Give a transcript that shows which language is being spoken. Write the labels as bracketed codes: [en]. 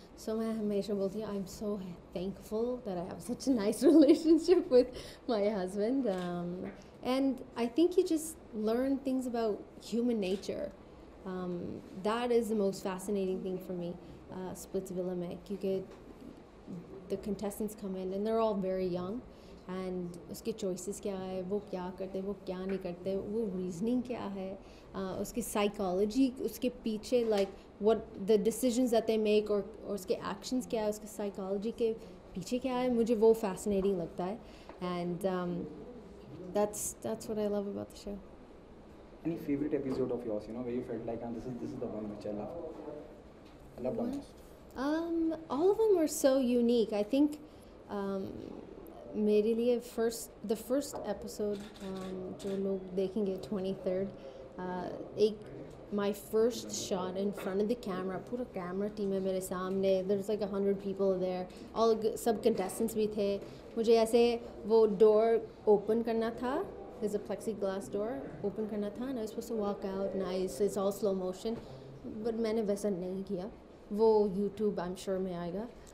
[en] So I'm so thankful that I have such a nice relationship with my husband. And I think you just learn things about human nature. That is the most fascinating thing for me, Splitsvilla में. You get the contestants come in and they're all very young. [hi] And उसके choices क्या है, वो क्या करते, वो क्या नहीं करते, वो reasoning क्या है, उसके psychology, उसके पीछे, [en] like what the decisions that they make, [hi] or उसके actions क्या है, उसके psychology के पीछे क्या है, मुझे वो fascinating लगता है. [en] And that's what I love about the show. Any favorite episode of yours, you know, where you felt like, oh, this is the one which I love? I love the most. All of them are so unique. I think [hi] मेरे लिए [en] the first episode [hi] जो लोग देखेंगे [en] 23rd my first shot in front of the camera, पूरा camera team है मेरे सामने, there's like 100 people there, all सब contestants भी थे, [hi] मुझे ऐसे वो [en] door open करना था, there's a plexiglass door open करना था, and I was supposed to walk out nice, it's all slow motion, but [hi] मैंने वैसा नहीं किया, वो [en] YouTube I'm sure में आएगा.